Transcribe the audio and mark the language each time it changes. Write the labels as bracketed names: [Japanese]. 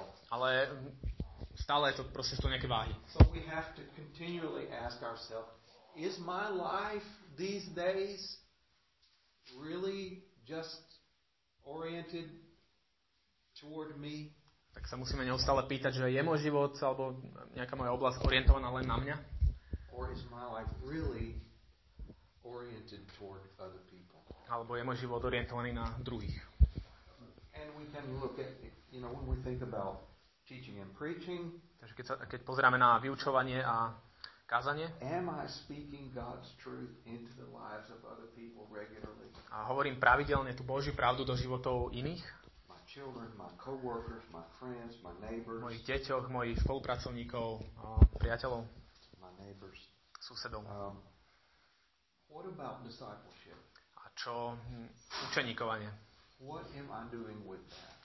[Slovak] Ale stále je to proste tu nejaké váhy. [English] So we have to continually ask ourselves, is my life these days really just oriented toward me? [Slovak] Tak sa musíme neustále pýtať, že je môj život alebo nejaká moja oblasť orientovaná len na mňa? [English] Or is my life really oriented toward other people? [Slovak] Alebo je môj život orientovaný na druhých? [English] And we can look at, you know, when we think about teaching and preaching. [Slovak] Takže keď pozeráme na vyučovanie a kázanie. [English] Am I speaking God's truth into the lives of other people regularly? [Slovak] A hovorím pravidelne tú Božiu pravdu do životov iných? [English] My children, my coworkers, my friends, my neighbors. [Slovak] Mojich deťoch, mojich spolupracovníkov, priateľov. [English] My neighbors. [Slovak] Susedom. [English] What about discipleship? [Slovak] A čo učeníkovanie? [English] What am I doing with that?